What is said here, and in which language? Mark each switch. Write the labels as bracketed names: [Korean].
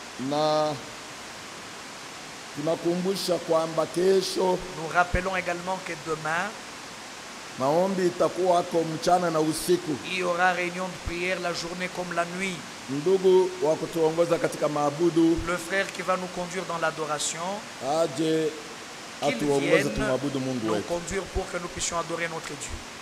[Swahili] Na tunakumbusha kwamba kesho. [French] Nous rappelons également que demain. [Swahili] Maombi itakuwa hapo mchana na usiku. [French] Il y aura réunion de prière la journée comme la nuit. [Swahili] Ndugu wa kutuongoza katika maabudu. [French] Le frère qui va nous conduire dans l'adoration. [Swahili] Aje atuongoze tumwabudu Mungu wetu. [French] Nous conduire pour que nous puissions adorer notre Dieu.